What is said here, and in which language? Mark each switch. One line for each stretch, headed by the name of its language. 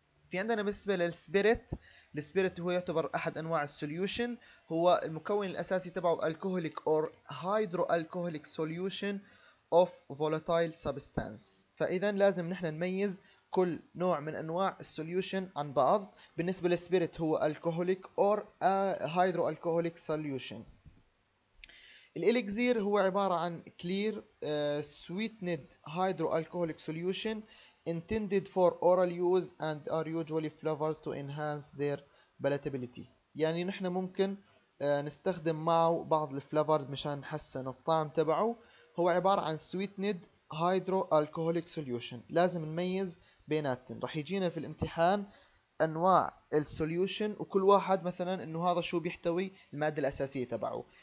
Arabic: في عندنا بالنسبة للسبيريت، السبيريت هو يعتبر أحد أنواع السوليوشن، هو المكون الأساسي تبعه
English: alcoholic or hydroalcoholic solution of volatile substance.
Arabic: فإذا لازم نحن نميز كل نوع من أنواع السوليوشن عن بعض. بالنسبة للسبيريت هو
English: alcoholic or hydroalcoholic solution.
Arabic: الإليكزير هو عبارة عن
English: clear sweetened hydroalcoholic solution intended for oral use and are usually flavored to enhance their palatability.
Arabic: يعني نحن ممكن نستخدم معه بعض الفلافرد مشان نحسن الطعم تبعه. هو عبارة عن
English: sweetened hydroalcoholic solution.
Arabic: لازم نميز بيناتهم. رح يجينا في الامتحان أنواع السوليوشن وكل واحد مثلا إنه هذا شو بيحتوي المادة الأساسية تبعه.